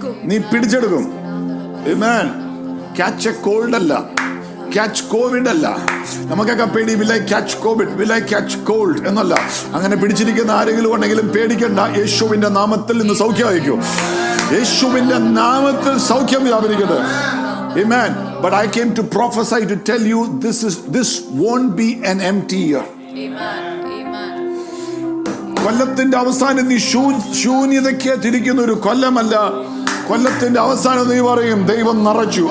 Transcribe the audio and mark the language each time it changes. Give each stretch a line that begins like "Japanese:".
Malayalam: നീ പിടിച്ചെടുക്കും. ആമേൻ.
English: Catch a cold
Malayalam: alla,
English: catch covid
Malayalam: alla. നമുക്കൊക്കെ പേടി, വിലൈ ക്യാച്ച് കോവിഡ്, വിലൈ ക്യാച്ച് കോൾഡ് എന്നല്ല. അങ്ങനെ പിടിച്ചിരിക്കുന്ന ആരെങ്കിലും ഉണ്ടെങ്കിലും പേടിക്കണ്ട, യേശുവിന്റെ നാമത്തിൽ നിന്ന് സൗഖ്യമായിരിക്കും. യേശുവിന്റെ നാമത്തിൽ സൗഖ്യം വ്യാപരിക്കുന്നത്. ആമേൻ.
English: But I came to prophesy to tell you, this won't be an empty year.
Malayalam: കൊല്ലത്തിന്റെ അവസാനം നീ ശൂന്യതയ്ക്ക് തിരിക്കുന്ന ഒരു കൊല്ലമല്ല. കൊല്ലത്തിന്റെ അവസാനം നീ പറയും, ദൈവം നിറച്ചു.